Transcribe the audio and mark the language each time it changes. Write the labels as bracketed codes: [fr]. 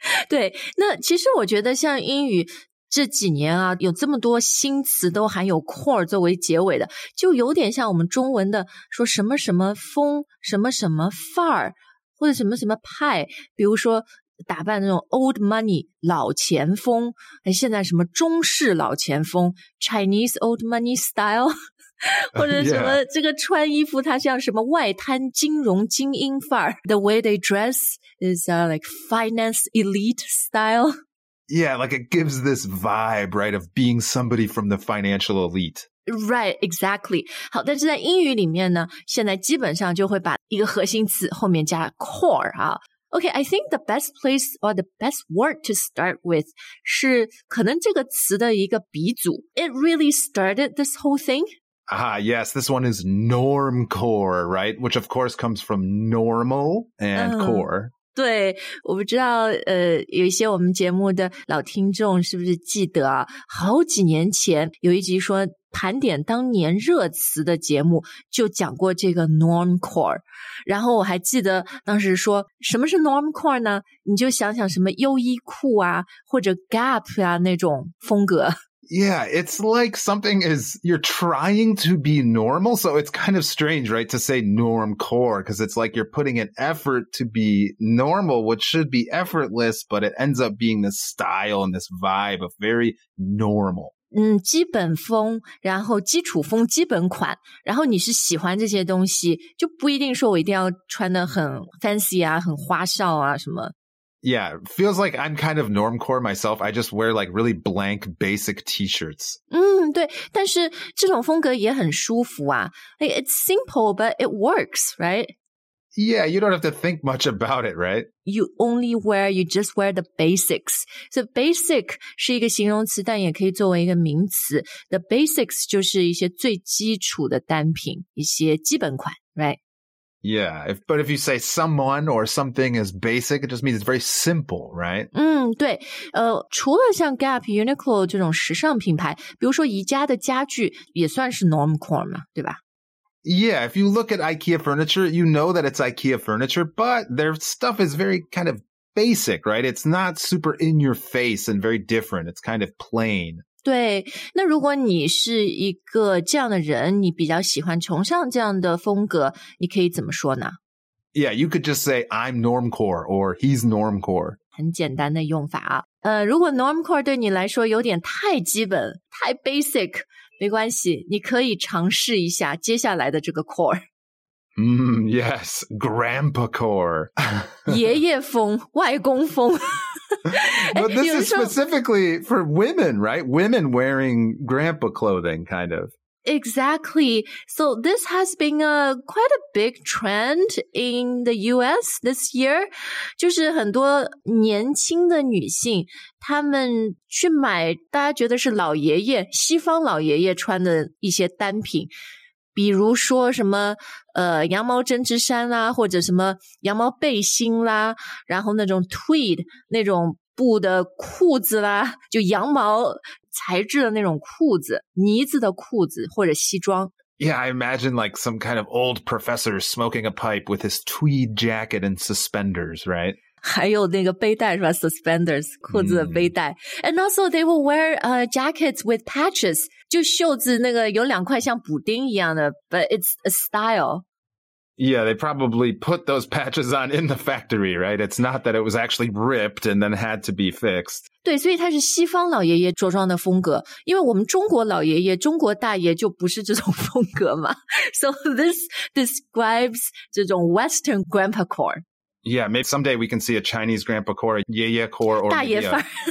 [zh] 对，那其实我觉得像英语这几年啊，有这么多新词都含有 core 作为结尾的，就有点像我们中文的说什么什么风，什么什么范儿，或者什么什么派，比如说打扮那种 old money 老钱风，现在什么中式老钱风 [en] Chinese old money style， [zh] 或者什么这个穿衣服它像什么外滩金融精英范儿 [en] The way they dress is like finance elite style. Yeah, like it gives this vibe, right, of being somebody from the financial elite. Right, exactly. [zh] 好，但是在英语里面呢，现在基本上就会把一个核心词后面加 core 啊。 [en] Okay, I think the best place or the best word to start with [zh] 是可能这个词的一个鼻祖。 [en] It really started this whole thing. Yes, this one is normcore, right? Which of course comes from normal and core. [zh] 对，我不知道有一些我们节目的老听众是不是记得啊，好几年前有一集说盘点当年热词的节目就讲过这个 normcore， 然后我还记得当时说什么是 normcore 呢，你就想想什么优衣库啊或者 gap 啊那种风格。 [en] Yeah, it's like something is, you're trying to be normal, so it's kind of strange, right, to say normcore, because it's like you're putting an effort to be normal, which should be effortless, but it ends up being this style and this vibe of very normal. [zh] 基本风，然后基础风，基本款，然后你是喜欢这些东西，就不一定说我一定要穿得很 fancy 啊，很花哨啊，什么。 [en] Yeah, feels like I'm kind of normcore myself. I just wear like really blank basic t-shirts. [zh] 对，但是这种风格也很舒服啊。 [en] It's simple, but it works, right? Yeah, you don't have to think much about it, right? You just wear the basics. So basic [zh] 是一个形容词，但也可以作为一个名词。 The basics 就是一些最基础的单品，一些基本款 right? [en] Yeah, but if you say someone or something is basic, it just means it's very simple, right? [zh] 对，除了像 Gap, Uniqlo 这种时尚品牌，比如说宜家的家具也算是 normcore 嘛，对吧？ [en] Yeah, if you look at IKEA furniture, you know that it's IKEA furniture, but their stuff is very kind of basic, right? It's not super in your face and very different. It's kind of plain. [zh] 对，那如果你是一个这样的人，你比较喜欢崇尚这样的风格，你可以怎么说呢？ [en] Yeah, you could just say I'm normcore or he's normcore. [zh] 很简单的用法啊。如果 normcore 对你来说有点太基本，太 basic, 没关系，你可以尝试一下接下来的这个 core。 [en] Yes, grandpa core. [zh] 爷爷风，外公风。 [en] But this is specifically for women, right? Women wearing grandpa clothing, kind of. Exactly. So this has been a quite a big trend in the U.S. this year. [zh] 就是很多年轻的女性，她们去买大家觉得是老爷爷，西方老爷爷穿的一些单品。比如说什么羊毛针织衫啦、啊、或者什么羊毛背心啦，然后那种 tweed 那种布的裤子啦，就羊毛材质的那种裤子，呢子的裤子或者西装。 [en] Yeah, I imagine like some kind of old professor smoking a pipe with his tweed jacket and suspenders, right? [zh] 还有那个背带是吧 ,suspenders, 裤子的背带。 [en] And also they will wear jackets with patches, [zh] 就袖子那个有两块像补丁一样的 [en] ,but it's a style. Yeah, they probably put those patches on in the factory, right? It's not that it was actually ripped and then had to be fixed. [zh] 对，所以它是西方老爷爷着装的风格，因为我们中国老爷爷，中国大爷就不是这种风格嘛。 [en] So this describes [zh] 这种 [en] Western grandpa core. Yeah, maybe someday we can see a Chinese grandpa core, a 爷爷 core, or [zh] 大爷范